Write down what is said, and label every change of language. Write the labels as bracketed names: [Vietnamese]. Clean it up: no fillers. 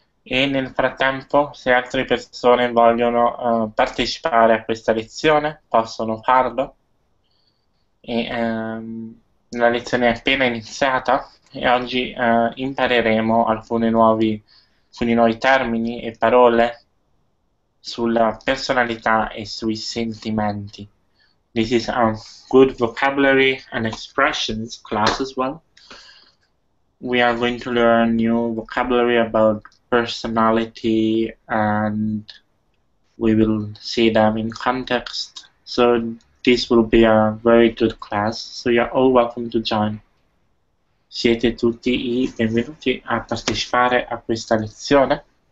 [Italian] E nel frattempo, se altre persone vogliono partecipare a questa lezione, possono farlo. E, la lezione è appena iniziata e oggi impareremo alcuni nuovi termini e parole sulla personalità e sui sentimenti. [English] This is a good vocabulary and expressions class as well. We are going to learn new vocabulary about personality and we will see them in context. So this will be a very good class. So you are all welcome to join. [Italian] Siete tutti i benvenuti a partecipare a questa lezione.